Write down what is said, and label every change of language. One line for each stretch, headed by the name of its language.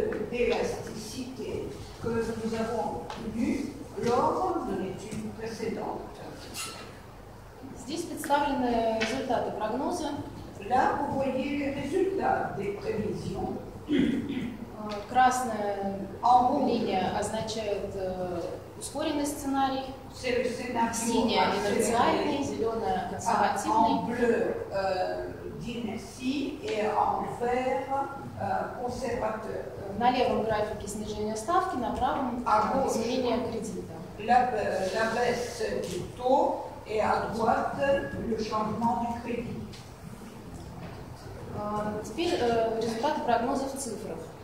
French: D'élasticité que nous avons vu lors de l'étude précédente.
Russian: Здесь представлены результаты прогноза.
French: Là, vous voyez les résultats des prévisions.
Russian: Красная линия означает ускоренный сценарий.
French: C'est le scénario.
Russian: Синяя инерциальный, зеленая консервативный.
French: En bleu, d'inertie et en vert, conservateur.
Russian: На левом графике снижение ставки, на правом изменение кредита.
French: La baisse du taux et à droite le changement du crédit.
Russian: Теперь результаты прогнозов в цифрах.